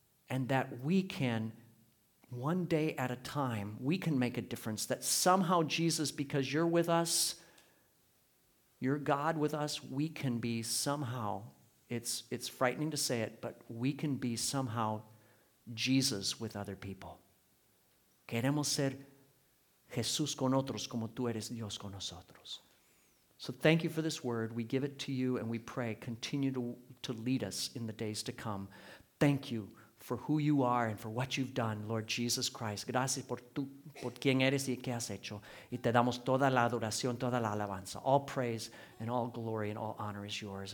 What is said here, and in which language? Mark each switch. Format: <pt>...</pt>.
<en>And that we can, one day at a time, we can make a difference. That somehow, Jesus, because you're with us, you're God with us, we can be somehow, it's frightening to say it, but we can be somehow Jesus with other people.</en> <es>Queremos ser Jesús con otros como tú eres Dios con nosotros.</es> <en>So thank you for this word. We give it to you and we pray. Continue to lead us in the days to come. Thank you for who you are and for what you've done, Lord Jesus Christ.</en> <es>Gracias por quien eres y qué has hecho. Y te damos toda la adoración, toda la alabanza.</es> <en>All praise and all glory and all honor is yours.</en>